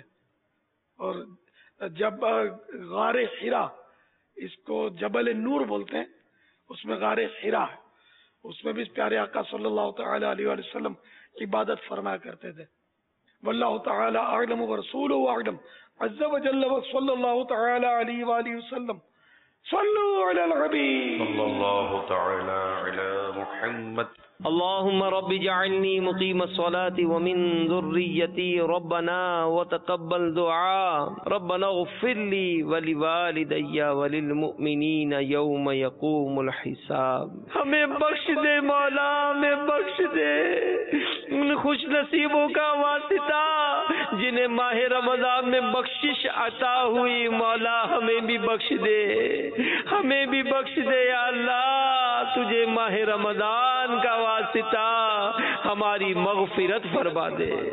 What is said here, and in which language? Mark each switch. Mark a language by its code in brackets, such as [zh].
[ur] اور جب غار حرا, اس کو جبل نور بولتے ہیں, اس میں غار حرا ہے, اس میں بھی پیارے آقا صلی اللہ تعالیٰ علیہ وآلہ وسلم عبادت فرمایا کرتے تھے. [ar] واللہ تعالیٰ اعلم ورسول اعلم عز و جل و صلی اللہ تعالیٰ علیہ وآلہ وسلم صلوا على الحبيب صلى الله تعالى على محمد. اللهم رب اجعلني مقيم الصلاة ومن ذريتي ربنا وتقبل دعاء. ربنا اغفر لي ولوالدي وللمؤمنين يوم يقوم الحساب. [ur] ہمیں بخش دے مولا, ہمیں بخش دے ان خوش نصیبوں کا واسطہ جنہیں ماہ رمضان میں بخشش عطا ہوئی. مولا ہمیں بھی بخش دے, ہمیں بھی بخش دے یا اللہ. تجھے ماہ رمضان کا واسطہ, ہماری مغفرت فرما دے.